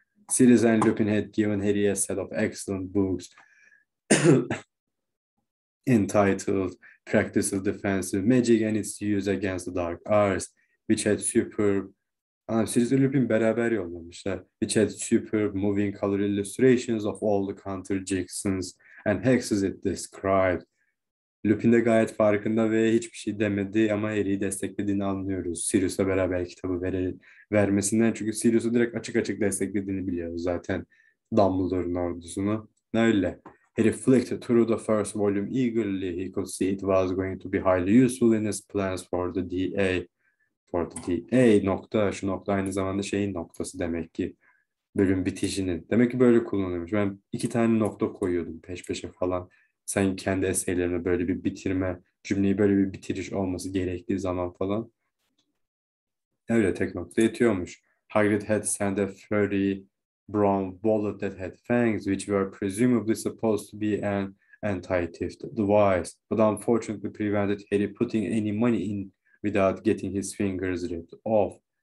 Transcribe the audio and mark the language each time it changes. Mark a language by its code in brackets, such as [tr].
[en] Sirius and Lupin had given Harry a set of excellent books entitled Practice of Defensive Magic and Its Use Against the Dark Arts, which had superb [tr] Sirius ve Lupin beraber yollamışlar. [en] Which had superb moving color illustrations of all the counter Jacksons and hexes it described. [tr] Lupin de gayet farkında ve hiçbir şey demedi ama Harry'i desteklediğini anlıyoruz. Sirius'a beraber kitabı vermesinden çünkü Sirius'u direkt açık açık desteklediğini biliyoruz zaten Dumbledore'un ordusunu. Öyle. [en] Harry flicked through the first volume eagerly. He could see it was going to be highly useful in his plans for the DA. [tr] Forty nokta şu nokta aynı zamanda şeyin noktası demek ki bölüm bitişinin. Demek ki böyle kullanıyormuş. Ben iki tane nokta koyuyordum peş peşe falan. Sen kendi eserlerine böyle bir bitirme, cümleyi böyle bir bitiriş olması gerektiği zaman falan. Öyle tek nokta yetiyormuş. [en] Hagrid had sent a furry brown wallet that had fangs, which were presumably supposed to be an anti-theft device. But unfortunately prevented Harry putting any money in without getting his fingers ripped off.